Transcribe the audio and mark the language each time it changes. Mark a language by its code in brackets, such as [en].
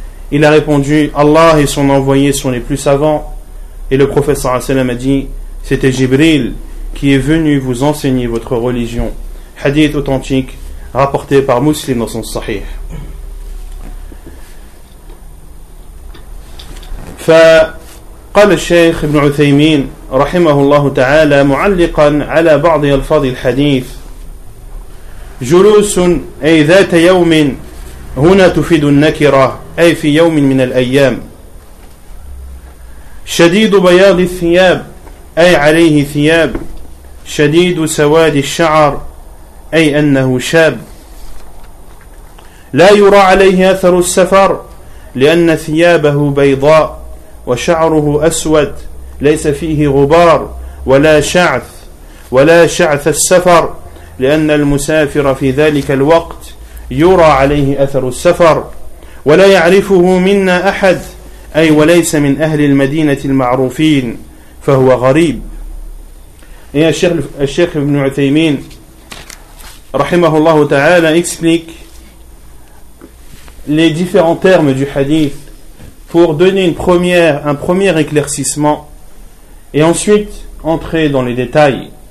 [fr] Il a répondu: Allah et son envoyé sont les plus savants. Et le prophète [ar] sallallahu alayhi wa sallam [fr] a dit: c'était Jibril qui est venu vous enseigner votre religion. Hadith authentique rapporté par Muslim dans son Sahih. [ar] فقال الشيخ ابن عثيمين رحمه الله تعالى معلقا على بعض ألفاظ الحديث: جلوس أي ذات يوم، هنا تفيد النكرة أي في يوم من الأيام. شديد بياض الثياب أي عليه ثياب. شديد سواد الشعر أي أنه شاب. لا يرى عليه أثر السفر لأن ثيابه بيضاء وشعره أسود ليس فيه غبار ولا شعث، ولا شعث السفر لأن المسافر في ذلك الوقت يرى عليه أثر السفر. ولا يعرفه منا أحد أي وليس من أهل المدينة المعروفين فهو غريب. [fr] يا الشيخ ابن عثيمين [ar] رحمه الله تعالى [fr] explique les différents termes du hadith pour donner un premier éclaircissement et ensuite entrer dans les détails.